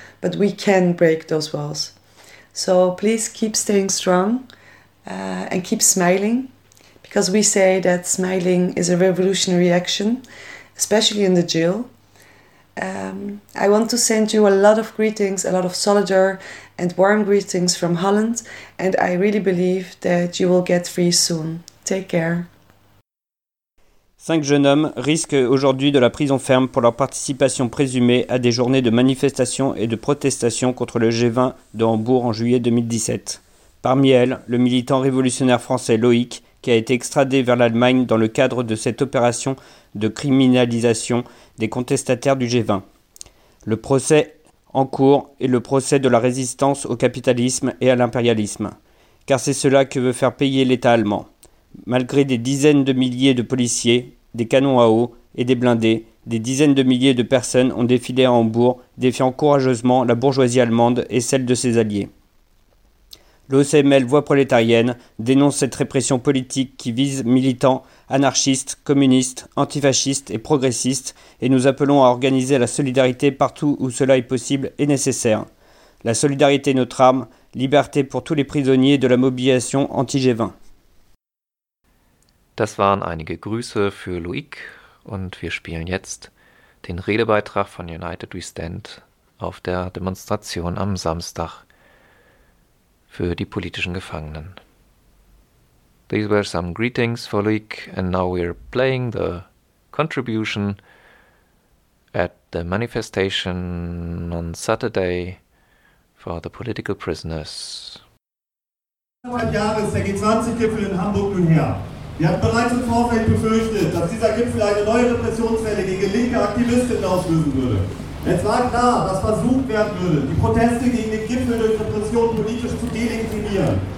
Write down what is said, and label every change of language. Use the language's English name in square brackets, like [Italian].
[English] But we can break those walls. So please keep staying strong and keep smiling, because we say that smiling is a revolutionary action, especially in the jail. I want to send you a lot of greetings, a lot of solidar and warm greetings from Holland, and I really believe that you will get free soon. Take care. [French] 5 jeunes hommes risquent aujourd'hui de la prison ferme pour leur participation présumée à des journées de manifestation et de protestation contre le G20 de Hambourg en juillet 2017. Parmi elles, le militant révolutionnaire français Loïc, qui a été extradé vers l'Allemagne dans le cadre de cette opération de criminalisation des contestataires du G20. Le procès en cours est le procès de la résistance au capitalisme et à l'impérialisme, car c'est cela que veut faire payer l'État allemand. Malgré des dizaines de milliers de policiers, des canons à eau et des blindés, des dizaines de milliers de personnes ont défilé à Hambourg, défiant courageusement la bourgeoisie allemande et celle de ses alliés. L'OCML Voix prolétarienne dénonce cette répression politique qui vise militants, anarchistes, communistes, antifascistes et progressistes, et nous appelons à organiser la solidarité partout où cela est possible et nécessaire. La solidarité est notre arme, liberté pour tous les prisonniers de la mobilisation anti-G20. [German] Das waren einige Grüße für Loïc und wir spielen jetzt den Redebeitrag von United We Stand auf der Demonstration am Samstag für die politischen Gefangenen. [English] These were some greetings for Loïc and now we are playing the contribution at the manifestation on Saturday for the political prisoners. [German] Ein Jahr ist der G20-Gipfel in Hamburg nun her. Wir hatten bereits im Vorfeld befürchtet, dass dieser Gipfel eine neue Repressionswelle gegen linke Aktivistinnen auslösen würde. Es war klar, dass versucht werden würde, die Proteste gegen den Gipfel durch Repression politisch zu delegitimieren.